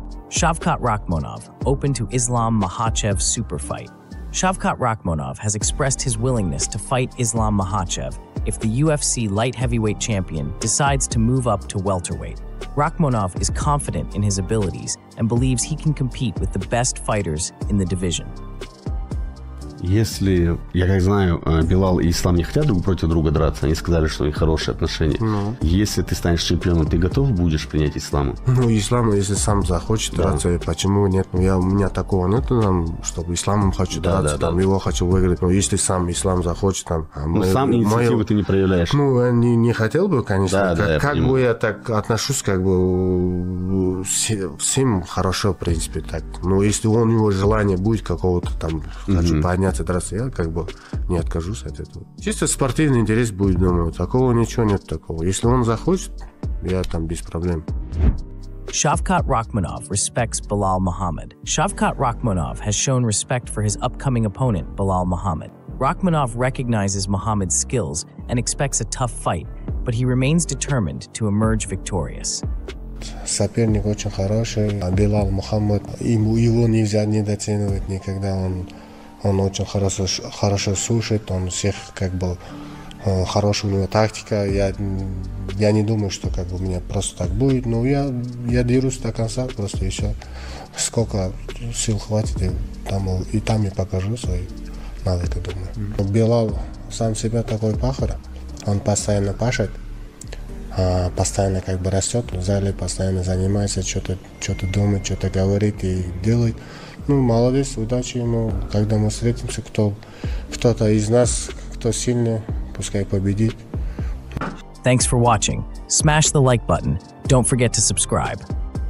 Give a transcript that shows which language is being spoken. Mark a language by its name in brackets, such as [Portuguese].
[English] Shavkat Rakhmonov, open to Islam Makhachev super fight. Shavkat Rakhmonov has expressed his willingness to fight Islam Makhachev if the UFC light heavyweight champion decides to move up to welterweight. Rakhmonov is confident in his abilities and believes he can compete with the best fighters in the division. [Russian] Если, я как знаю, Билал и Ислам не хотят друг против друга драться, они сказали, что у них хорошие отношения. Ну. Если ты станешь чемпионом, ты готов будешь принять Ислама? Ну, Ислам, если сам захочет драться, почему нет? У меня такого нет, чтобы Исламом хочу драться, его хочу выиграть. Но если сам Ислам захочет, сам инициативу ты не проявляешь. Ну, я не хотел бы, конечно. Как бы я так отношусь, как бы всем хорошо, в принципе, так. Но если у него желание будет какого-то там, хочу понять, я как бы не откажусь от этого. Чисто спортивный интерес будет, думаю. Такого ничего нет такого. Если он захочет, я там без проблем. [English] Shavkat Rakhmonov respects Bilal Muhammad. Shavkat Rakhmonov has shown respect for his upcoming opponent, Bilal Muhammad. Rakhmonov recognizes Muhammad's skills and expects a tough fight, but he remains determined to emerge victorious. [Russian] Соперник очень хороший. Билал Мухаммад, его нельзя недооценивать никогда. Он очень хорошо слушает, он всех как бы хорошая у него тактика. Я не думаю, что как бы у меня просто так будет. Но я дерусь до конца, просто еще сколько сил хватит, и там я покажу свои навыки, думаю. Mm-hmm. Билал сам себя такой пахарь, он постоянно пашет, постоянно как бы растет в зале, постоянно занимается, что-то думает, что-то говорит и делает. Ну, молодец, удачи ему. Когда мы встретимся, кто-то из нас, кто сильный, пускай победит. [English] Thanks for watching. Smash the like button. Don't forget to subscribe.